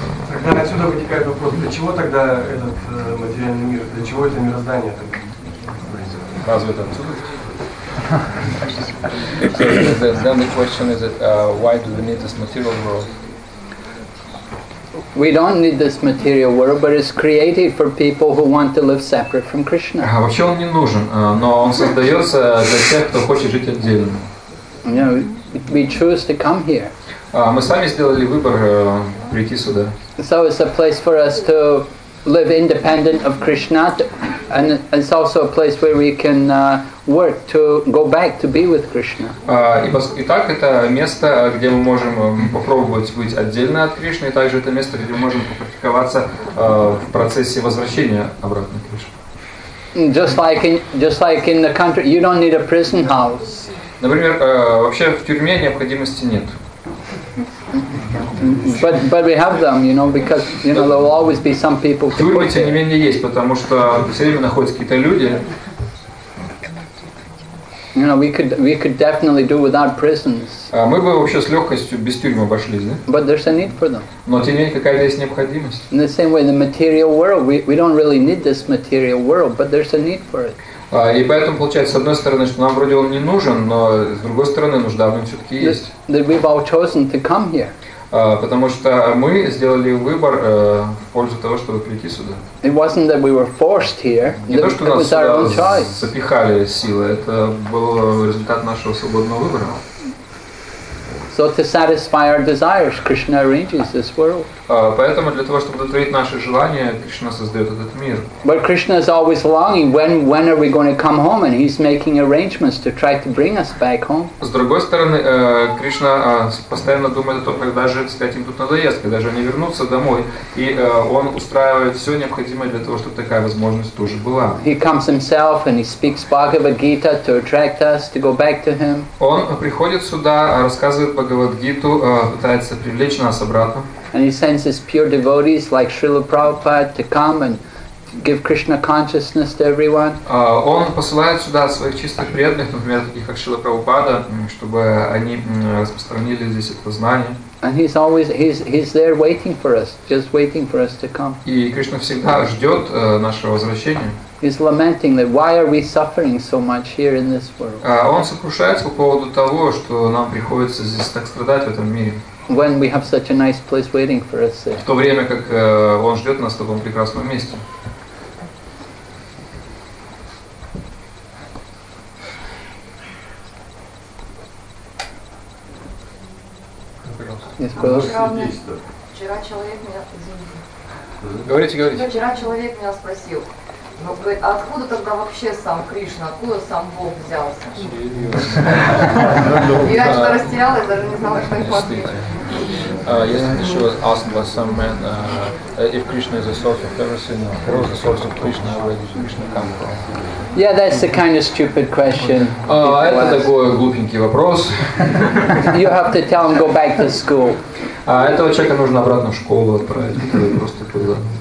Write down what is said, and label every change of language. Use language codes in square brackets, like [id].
[ru] Тогда отсюда вытекает вопрос, для чего тогда этот материальный мир, для чего это мироздание? Разве это отсюда? [en] So then the question is, why do we need this material world? We don't need this material world, but it's created for people who want to live separate from Krishna. [ru] Вообще он не нужен, но он создается для тех, кто хочет жить отдельно. [en] We choose to come here. [ru] Мы сами сделали выбор прийти сюда. [en] So it's a place for us to live independent of Krishna, and it's also a place where we can work to go back to be with Krishna. [ru] И так это место, где мы можем попробовать быть отдельно от Кришны, и также это место, где мы можем попрактиковаться в процессе возвращения обратно к Кришне. [en] Just like in the country, you don't need a prison house. [ru] Например, вообще в тюрьме необходимости нет. [en] But we have them, you know, because you know there will always be some people. [ru] В тюрьме тем не менее есть, потому что все время находятся какие-то люди. [en] You know, we could definitely do without prisons. [ru] Мы бы вообще с легкостью без тюрьмы обошлись, да? [en] But there's a need for them. [ru] Но тем не менее какая-то есть необходимость. [en] In the same way, the material world, we don't really need this material world, but there's a need for it. [ru] И поэтому получается, с одной стороны, что нам вроде он не нужен, но с другой стороны, нужда в нем все-таки есть. [en] That we've all chosen to come here. [ru] Потому что мы сделали выбор в пользу того, чтобы прийти сюда. [en] It wasn't that we were forced here. [ru] Не то, что нас сюда запихали силы, это был результат нашего свободного выбора. [en] So to satisfy our desires, Krishna arranges this world. [ru] Поэтому для того, чтобы удовлетворить наши желания, Кришна создает этот мир. [en] But Krishna is always longing. When are we going to come home? And he's making arrangements to try to bring us back home. [ru] С другой стороны, Кришна постоянно думает о том, когда же, так сказать, им тут надоест, когда же они вернутся домой, и он устраивает все необходимое для того, чтобы такая возможность тоже была. [en] He comes himself and he speaks Bhagavad Gita to attract us to go back to him. [ru] Он приходит сюда, рассказывает Бхагавад Гиту, пытается привлечь нас обратно. [en] And he sends his pure devotees like Srila Prabhupada to come and give Krishna consciousness to everyone. [ru] Он посылает сюда своих чистых преданных, например, таких как Шрила Прабхупада, чтобы они распространили здесь это знание. [en] And he's there waiting for us, just waiting for us to come. [ru] И Кришна всегда ждет нашего возвращения. [en] He's lamenting that why are we suffering so much here in this world? [ru] Он сокрушается по поводу того, что нам приходится здесь так страдать в этом мире. [en] When we have such a nice place waiting for us. [ru] В то время как он ждет нас в таком прекрасном месте. Вчера человек меня спросил. Ну, говорит, а откуда тогда вообще сам Кришна, откуда сам Бог взялся? Я что-то растерялась, даже не знала, что их ответить. [en] Yesterday she was asked by some man if Krishna is a source of everything, or where is the source of Krishna, where does Krishna come from? Yeah, that's the kind of stupid question. [ru] Это такой глупенький вопрос. [en] You have to tell him go back to school. [ru] Этого человека нужно обратно в школу отправить, который просто был.